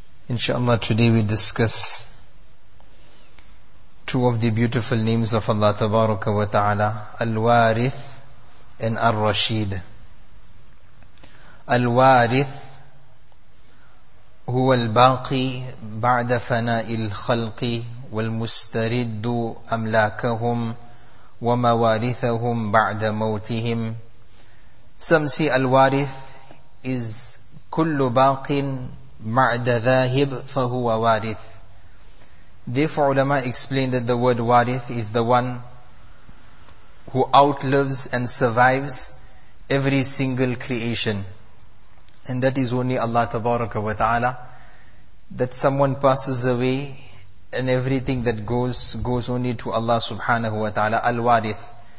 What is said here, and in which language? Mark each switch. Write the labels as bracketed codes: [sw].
[en] إن شاء الله today we discuss two of the beautiful names of Allah تبارك وتعالى, الوارث and الرشيد. [ar] الوارث هو الباقي بعد فناء الخلق والمسترد أملاكهم ومواريثهم بعد موتهم. [en] Some say [ar] الوارث is كل باق بعد ذاهب فهو وارث. [en] Therefore علماء explained that the word وارث is the one who outlives and survives every single creation. And that is only Allah Tabaraka wa Ta'ala. That someone passes away and everything that goes only to Allah Subhanahu wa Ta'ala. Al-Warith.